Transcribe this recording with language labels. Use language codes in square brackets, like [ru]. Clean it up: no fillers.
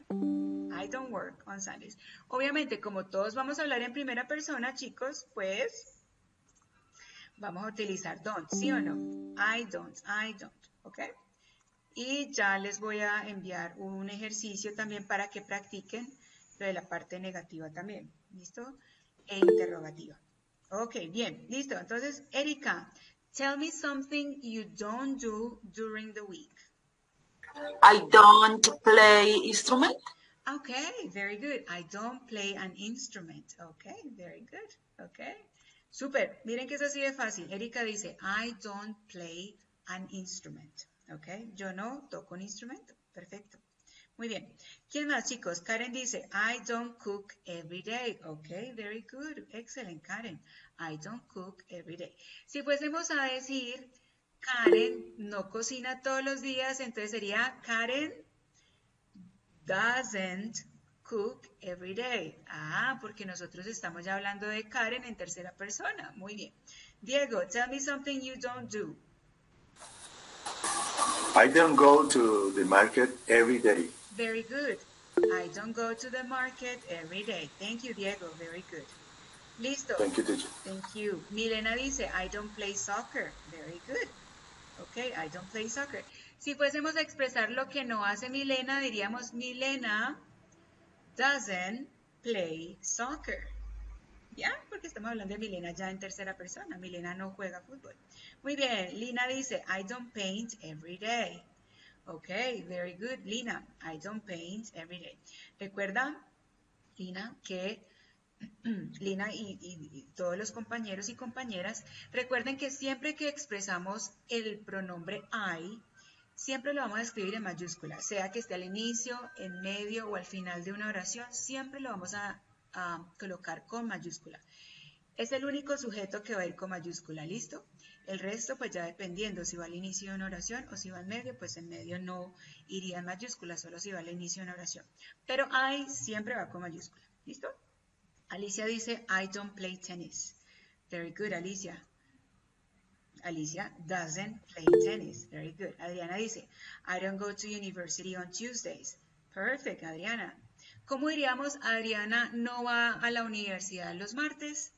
[en] I don't work on Sundays. [es] Obviamente, como todos vamos a hablar en primera persona, chicos, pues vamos a utilizar don't, ¿sí o no? [en] I don't, ¿ok? [es] Y ya les voy a enviar un ejercicio también para que practiquen lo de la parte negativa también, ¿listo? E interrogativa. Ok, bien, listo. Entonces, [en] Erika, tell me something you don't do during the week. I don't play instrument. Okay, very good. I don't play an instrument. Okay, very good. Okay, super. [es] Miren que es así de fácil. Erika dice, [en] I don't play an instrument. [es] Okay, yo no toco un instrumento. Perfecto. Muy bien. ¿Quién más, chicos? Karen dice, [en] I don't cook every day. Okay, very good. Excellent, Karen. I don't cook every day. [es] Si fuésemos a decir, Karen no cocina todos los días, entonces sería [en] Karen doesn't cook every day. [es] Ah, porque nosotros estamos ya hablando de Karen en tercera persona. Muy bien. [en] Diego, tell me something you don't do. I don't go to the market every day. Very good. I don't go to the market every day. Thank you, Diego. Very good. Listo. Thank you, teacher. Thank you. [es] Milena dice, [en] I don't play soccer. Very good. Okay, I don't play soccer. [es] Si fuésemos a expresar lo que no hace Milena, diríamos, [en] Milena doesn't play soccer. [es] ¿Ya? Porque estamos hablando de Milena ya en tercera persona. Milena no juega fútbol. Muy bien, Lina dice, [en] I don't paint every day. Ok, very good, Lina. I don't paint every day. [es] Recuerda, Lina, que Lina y todos los compañeros y compañeras, recuerden que siempre que expresamos el pronombre I, siempre lo vamos a escribir en mayúscula, sea que esté al inicio, en medio o al final de una oración, siempre lo vamos a colocar con mayúscula. Es el único sujeto que va a ir con mayúscula, ¿listo? El resto, pues ya dependiendo si va al inicio de una oración o si va en medio, pues en medio no iría en mayúscula, solo si va al inicio de una oración. Pero I siempre va con mayúscula, ¿listo? [en] Alicia [es] dice, [en] I don't play tennis. Very good, Alicia. Alicia doesn't play tennis. Very good. Adriana [es] dice, [en] I don't go to university on Tuesdays. Perfect, Adriana. [es] ¿Cómo diríamos Adriana no va a la universidad los martes?